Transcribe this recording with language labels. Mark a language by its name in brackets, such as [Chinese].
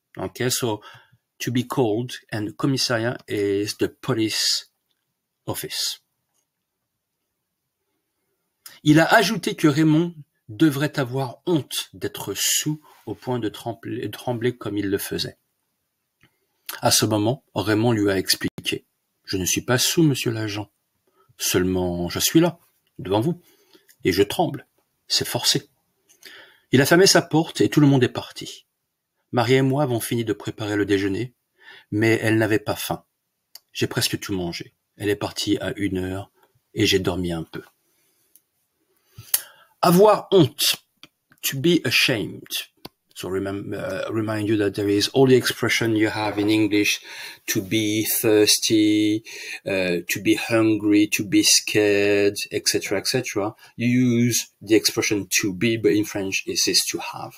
[English] Okay, so to be called, and commissariat is the police office. [French] Il a ajouté que Raymond devrait avoir honte d'être saoul au point de trembler comme il le faisait. À ce moment, Raymond lui a expliqué « Je ne suis pas saoul, monsieur l'agent. Seulement, je suis là, devant vous, et je tremble. C'est forcé. » Il a fermé sa porte et tout le monde est parti. Marie et moi avons fini de préparer le déjeuner, mais elle n'avait pas faim. J'ai presque tout mangé. Elle est partie à 1 heure et j'ai dormi un peu. [English] Avoir honte, to be ashamed. So remind you that there is all the expression you have in English, to be thirsty, to be hungry, to be scared, etc., etc. You use the expression to be, but in French it says to have.